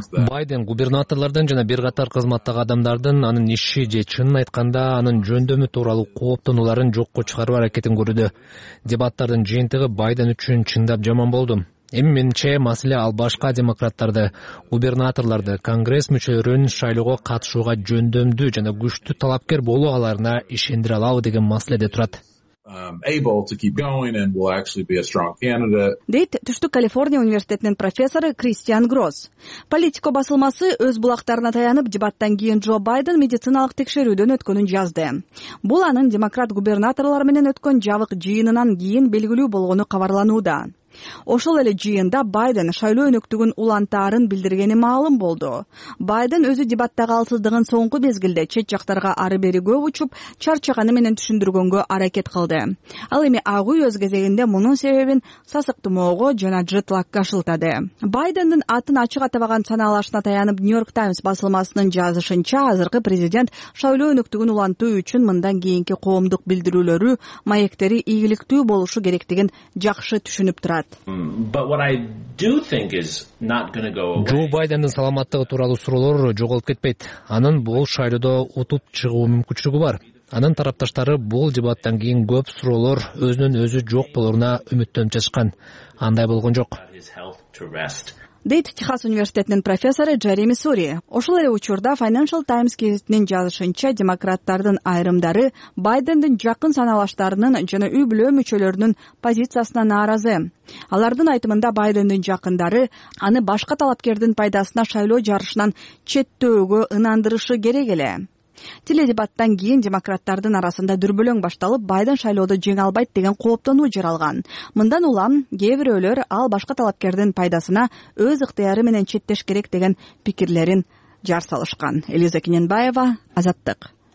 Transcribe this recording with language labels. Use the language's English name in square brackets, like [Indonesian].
[Kyrgyz] Байден губернаторлордон жана бир катар кызматтагы адамдардын анын иши же чынын айтканда анын жөндөмү тууралуу кооптонууларын жокко чыгаруу аракетин көрүүдө. Дебаттардын жыйынтыгы Байден үчүн чындап жаман болду. Эми менимче маселе ал башка демократтарды, губернаторлорду, конгресс мүчөлөрүн шайлоого катышууга жөндөмдүү жана күчтүү талапкер болуу аларына ишендире алабы деген маселеде турат. [English] able to keep going and will actually be a strong candidate. [Kyrgyz] Дейт Түштүк Калифорния университетинин профессору Кристиан Гросс. Политико басылмасы өз булактарына таянып дебаттан кийин Джо Байден медициналык текшерүүдөн өткөнүн жазды. Бул анын демократ губернаторлор менен өткөн жабык жыйынынан кийин белгилүү болгону кабарланууда. Ошол эле жыйында Байден шайлоо өнөктүгүн улантаарын билдиргени маалым болду. Байден өзү дебаттагы алсыздыгын соңку мезгилде чет жактарга ары-бери көп учуп, чарчаганы менен түшүндүргөнгө аракет кылды. Ал эми Ак Үй өз кезегинде мунун себебин сасык тумоого жана джетлакка шылтады. Байдендин атын ачык атабаган санаалашына таянып, Нью-Йорк Таймс басылмасынын жазышынча, азыркы президент шайлоо өнөктүгүн улантуу үчүн мындан кийинки коомдук билдирүүлөрү, маектери ийгиликтүү болушу керектигин жакшы түшүнүп турат. [English] But what I do think is not going to go away. [Kyrgyz] Джо Байдендин саламаттыгы тууралуу суроолор жоголуп кетпейт. Анын бул шайлоодо утуп чыгуу мүмкүнчүлүгү бар. Анын тарапташтары бул дебаттан кийин көп суроолор өзүнүн өзү жок болоруна үмүттөнүп жашкан. Андай болгон жок. Дейт Техас университетинин профессору Джереми Сури. Ошол эле учурда Financial Times гезитинин жазышынча, демократтардын айрымдары Байдендин жакын санаалаштарынын жана үй бүлө мүчөлөрүнүн позициясына нааразы. Алардын айтымында Байдендин жакындары аны башка талапкердин пайдасына шайлоо жарышынан четтөөгө ынандырышы керек эле. Теледебаттан кийин демократтардын арасында дүрбөлөң башталып, Байден шайлоодо жеңе албайт деген кооптонуу жаралган. Мындан улам кээ бирөөлөр ал башка талапкердин пайдасына өз ыктыяры менен четтеш керек деген пикирлерин жар салышкан. Элиза Кененбаева, Азаттык.